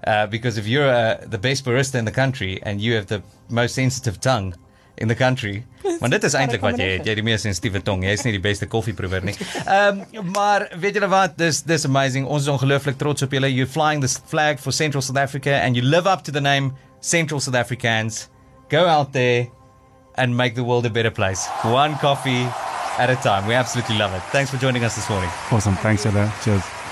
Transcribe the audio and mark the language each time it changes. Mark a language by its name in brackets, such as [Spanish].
[English] Because if you're the best barista in the country and you have the most sensitive tongue, in the country. [Afrikaans] Want dit is eindelijk wat jy het. Jy het die meer sensitieve tong. Jy is nie die beste koffieproeër nie. Maar weet julle wat? [English] This is amazing. [Afrikaans] Ons is ongelooflik trots op julle. [English] You're flying this flag for Central South Africa and you live up to the name Central South Africans. Go out there and make the world a better place. One coffee at a time. We absolutely love it. Thanks for joining us this morning. Awesome. Thanks, Jelle. Cheers.